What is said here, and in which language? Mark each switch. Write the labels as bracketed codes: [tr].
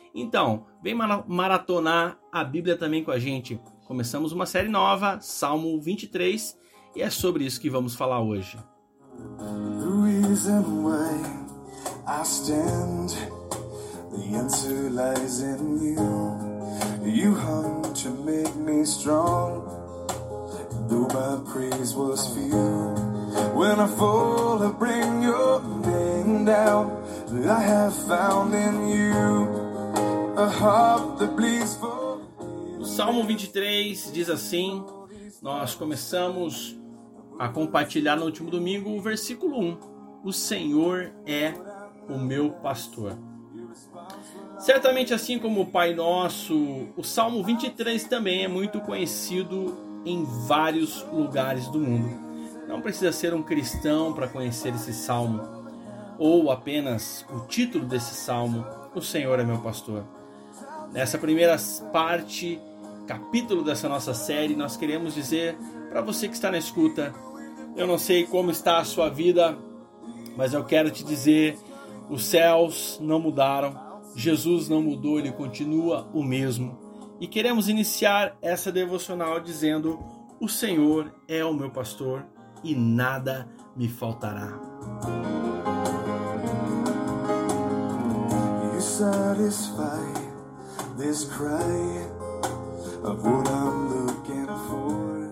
[pt] Então, vem maratonar a Bíblia também com a gente. Começamos uma série nova, Salmo 23, e é sobre isso que vamos falar hoje. [en] The reason why I stand, the answer lies in you. You hung to make me strong, though my praise was few. When I fall, I bring your name down. I have found in you a heart that bleeds for [pt] me. O Salmo 23 diz assim: nós começamos a compartilhar no último domingo o versículo 1. O Senhor é o meu pastor. Certamente, assim como o Pai Nosso, o Salmo 23 também é muito conhecido em vários lugares do mundo. Não precisa ser um cristão para conhecer esse Salmo, ou apenas o título desse Salmo, o Senhor é meu pastor. Nessa primeira parte, capítulo dessa nossa série, nós queremos dizer para você que está na escuta, eu não sei como está a sua vida, mas eu quero te dizer, os céus não mudaram, Jesus não mudou, ele continua o mesmo. E queremos iniciar essa devocional dizendo, o Senhor é o meu pastor e nada me faltará. [en] You satisfy this cry of what I'm looking for.